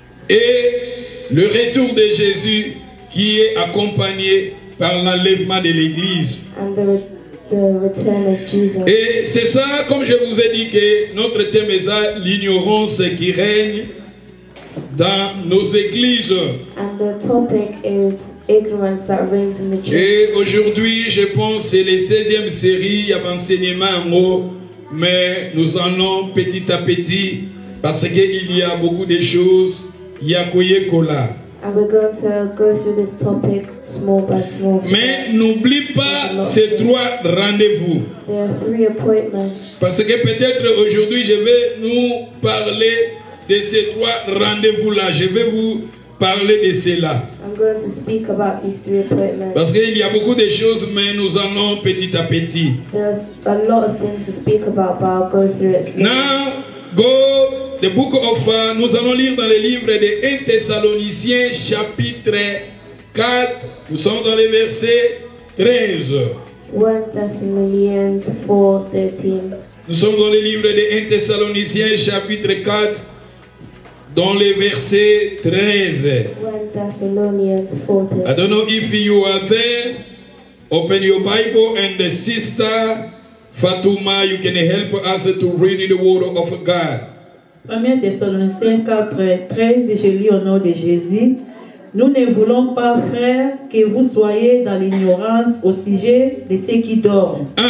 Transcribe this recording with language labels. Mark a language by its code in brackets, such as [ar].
[fr] Et le retour de Jésus qui est accompagné par l'enlèvement de l'église. Et c'est ça, comme je vous ai dit, que notre thème est ça, l'ignorance qui règne dans nos églises. [en] And the topic is ignorance that reigns in the church. [fr] Et aujourd'hui, je pense, c'est les 16e série à enseignement en haut, mais nous en allons petit à petit, parce qu'il y a beaucoup de choses, il y a Koye Kola. [en] And we're going to go through this topic small by small. So [fr] mais n'oublie pas ces trois rendez-vous. [en] There are three appointments. [fr] Parce que peut-être aujourd'hui je vais nous parler de ces trois rendez-vous-là. Je vais vous parler de cela. [en] I'm going to speak about these three appointments. [fr] Parce qu'il y a beaucoup de choses, mais nous allons petit à petit. [en] There's a lot of things to speak about, but I'll go through it slowly. Now, go. The book of, [fr] nous allons lire dans le livre de 1 Thessaloniciens chapitre 4, nous sommes dans le verset 13. 1 Thessaloniciens 4, 13. Nous sommes dans le livre de 1 Thessaloniciens chapitre 4, dans le verset 13. 1 Thessaloniciens 4, 13. [en] I don't know if you are there, open your Bible and the sister Fatuma, you can help us to read the word of God. [fr] 1 Thessaloniciens 4, 13, je lis au nom de Jésus. Nous ne voulons pas, frères, que vous soyez dans l'ignorance au sujet de ceux qui dorment.